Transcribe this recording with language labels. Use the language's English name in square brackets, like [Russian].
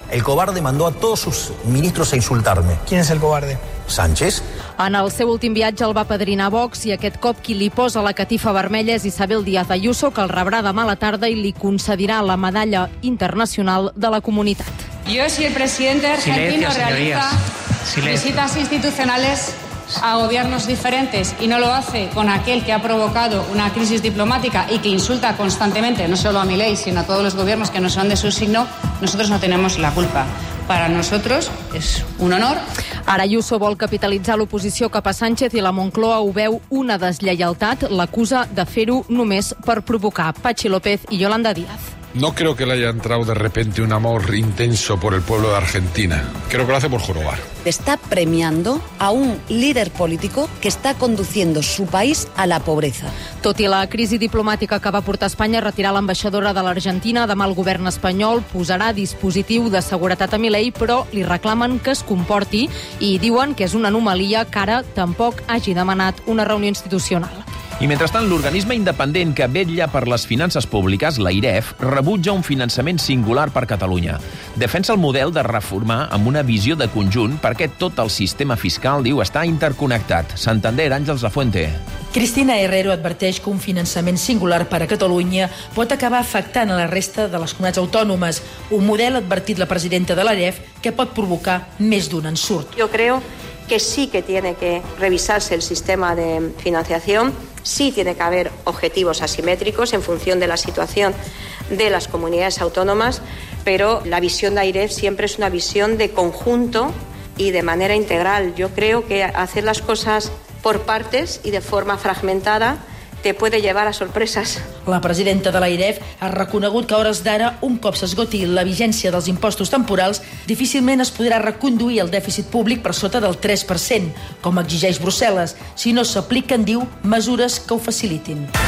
[Spanish] El cobarde mandó a todos sus ministros a insultarme. ¿Quién es el cobarde? Sánchez. [Catalan] En el seu últim viatge el va padrinar Vox i aquest cop qui li posa la catifa vermella és Isabel Díaz Ayuso, que el rebrà demà a la tarda i li concedirà la medalla internacional de la comunitat. [Spanish] Yo, si el presidente argentino realiza visitas institucionales... a gobiernos diferentes y no lo hace con aquel que ha provocado una crisis diplomática y que insulta constantemente, no solo a Milei, sino a todos los gobiernos que no son de su signo, nosotros no tenemos la culpa. Para nosotros es un honor. [Catalan] Ara Ayuso vol capitalitzar l'oposició cap a Sánchez i la Moncloa ho veu una deslleialtat, l'acusa de fer-ho només per provocar. Patxi López i Yolanda Díaz. [Spanish] No creo que le haya entrado de repente un amor intenso por el pueblo de Argentina. Creo que lo hace por jorobar. Está premiando a un líder político que está conduciendo su país a la pobreza. [Catalan] Tot i la crisi diplomàtica que va portar a Espanya a retirar l'ambaixadora de l'Argentina, demà el govern espanyol posarà dispositiu de seguretat a Milei, però li reclamen que es comporti i diuen que és una anomalia que ara tampoc hagi demanat una reunió institucional. I mentrestant, l'organisme independent que vetlla per les finances públiques, l'AIREF, rebutja un finançament singular per Catalunya. Defensa el model de reformar amb una visió de conjunt perquè tot el sistema fiscal, diu, està interconnectat. Santander, Àngels Lafuente. Cristina Herrero adverteix que un finançament singular per a Catalunya pot acabar afectant a la resta de les comunitats autònomes. Un model, advertit la presidenta de l'AIREF, que pot provocar més d'un ensurt. [Spanish] Yo creo que sí que tiene que revisarse el sistema de financiación. Sí tiene que haber objetivos asimétricos en función de la situación de las comunidades autónomas, pero la visión de AIREF siempre es una visión de conjunto y de manera integral. Yo creo que hacer las cosas por partes y de forma fragmentada te puede llevar a sorpresas. [Catalan] La presidenta de l'AIREF ha reconegut que a hores d'ara, un cop s'esgoti la vigència dels impostos temporals, difícilment es podrà reconduir el dèficit públic per sota del 3%, com exigeix Brussel·les, si no s'apliquen, diu, mesures que ho facilitin.